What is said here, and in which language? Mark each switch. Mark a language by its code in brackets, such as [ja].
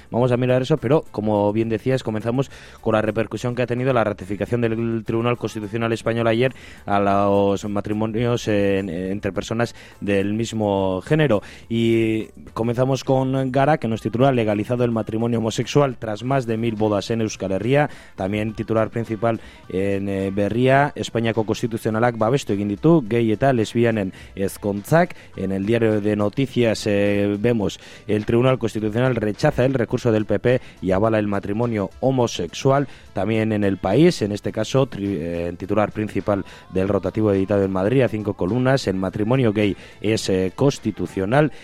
[es] Vamos a mirar eso, pero como bien decías, comenzamos con la repercusión que ha tenido la ratificación del Tribunal Constitucional Español ayer a los matrimonios entre personas del mismo género. Y comenzamos con Gara, que nos titula "Legalizado el matrimonio homosexual tras más de 1000 bodas en Euskal Herria". También titular principal en Berria, [eu] "Espainiako konstituzionalak babestu egin ditu gay eta lesbianen ezkontzak". [es] En el diario de noticias vemos "El Tribunal Constitucional rechaza el recurso del PP y avala el matrimonio homosexual". También en El País, en este caso titular principal del rotativo editado en Madrid a 5 columnas, "El matrimonio gay es constitucional".